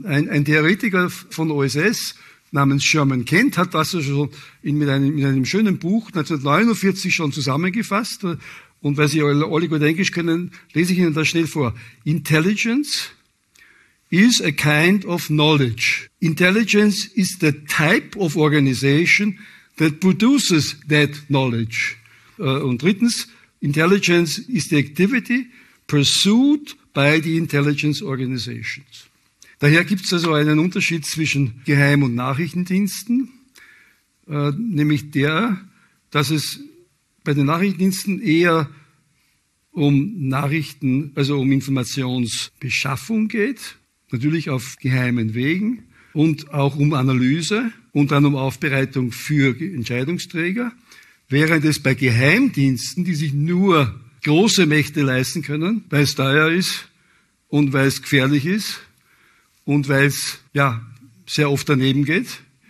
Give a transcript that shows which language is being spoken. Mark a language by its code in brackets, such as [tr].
[de] Ein Theoretiker von OSS namens Sherman Kent hat das schon mit einem schönen Buch 1949 schon zusammengefasst. Und weil Sie alle gut Englisch können, lese ich Ihnen das schnell vor. [en] Intelligence is a kind of knowledge. Intelligence is the type of organization that produces that knowledge. [de] Und drittens, [en] intelligence is the activity pursued by the intelligence organizations. [de] Daher gibt es also einen Unterschied zwischen Geheim- und Nachrichtendiensten, nämlich der, dass es bei den Nachrichtendiensten eher um Nachrichten, also um Informationsbeschaffung geht, natürlich auf geheimen Wegen und auch um Analyse und dann um Aufbereitung für Entscheidungsträger, während es bei Geheimdiensten, die sich nur große Mächte leisten können, weil es teuer ist und weil es gefährlich ist, und weil es ja sehr oft daneben geht.